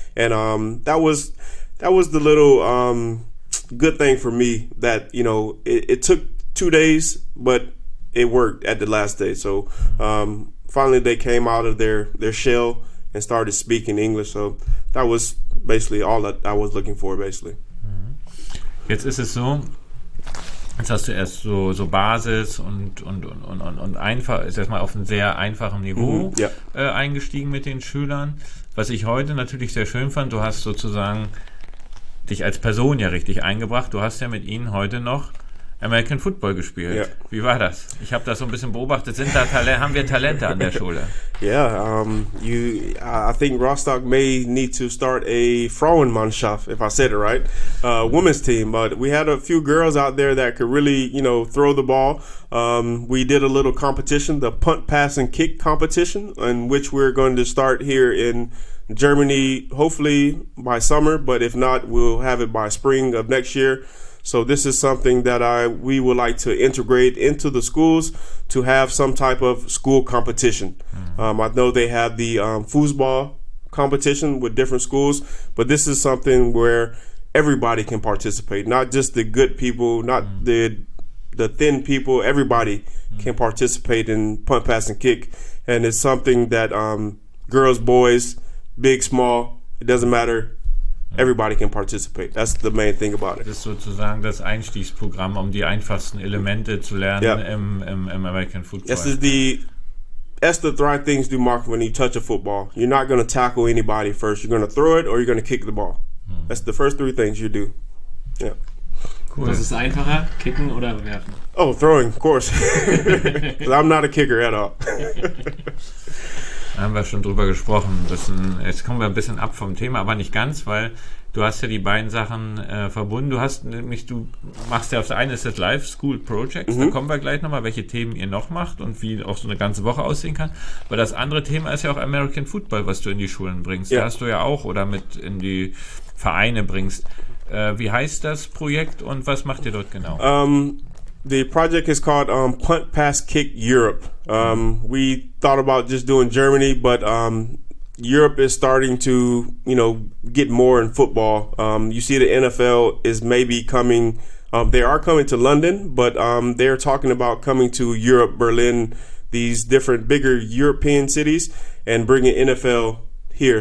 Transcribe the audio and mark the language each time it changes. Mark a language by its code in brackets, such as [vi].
[en] And that was the little good thing for me that, you know, it took 2 days, but it worked at the last day. So finally they came out of their shell and started speaking English. So that was basically all that I was looking for, basically. [de] Jetzt ist es so. Jetzt hast du erst so Basis und einfach, ist erstmal auf einem sehr einfachen Niveau eingestiegen mit den Schülern. Was ich heute natürlich sehr schön fand, du hast sozusagen dich als Person ja richtig eingebracht. Du hast ja mit ihnen heute noch American Football gespielt. [en] Yeah. [de] Wie war das? Ich habe das so ein bisschen beobachtet. Sind da haben wir Talente an der Schule? [en] Yeah, I think Rostock may need to start a Frauenmannschaft, if I said it right, women's team. But we had a few girls out there that could really, you know, throw the ball. We did a little competition, the punt, pass, and kick competition, in which we're going to start here in Germany, hopefully by summer. But if not, we'll have it by spring of next year. So this is something that we would like to integrate into the schools to have some type of school competition. I know they have the foosball competition with different schools, but this is something where everybody can participate, not just the good people, not the thin people. Everybody can participate in punt, pass, and kick. And it's something that girls, boys, big, small, it doesn't matter. Everybody can participate. That's the main thing about it. [de] Das ist sozusagen das Einstiegsprogramm, um die einfachsten Elemente zu lernen im American Football. [en] That's the three things you mark when you touch a football. You're not going to tackle anybody first. You're going to throw it or you're going to kick the ball. That's the first three things you do. Yeah. Cool. [de] Was ist einfacher, kicken oder werfen? [en] Oh, throwing, of course. Because I'm not a kicker at all. [de] Da haben wir schon drüber gesprochen. Jetzt kommen wir ein bisschen ab vom Thema, aber nicht ganz, weil du hast ja die beiden Sachen verbunden. Du hast nämlich, du machst ja auf der einen ist das Live School Projects, da kommen wir gleich nochmal, welche Themen ihr noch macht und wie auch so eine ganze Woche aussehen kann. Aber das andere Thema ist ja auch American Football, was du in die Schulen bringst. [en] Yeah. [de] Da hast du ja auch oder mit in die Vereine bringst. Wie heißt das Projekt und was macht ihr dort genau? [en] The project is called Punt Pass Kick Europe. We thought about just doing Germany, but Europe is starting to, you know, get more in football. You see the NFL is maybe coming. They are coming to London, but they're talking about coming to Europe, Berlin, these different bigger European cities, and bringing NFL here.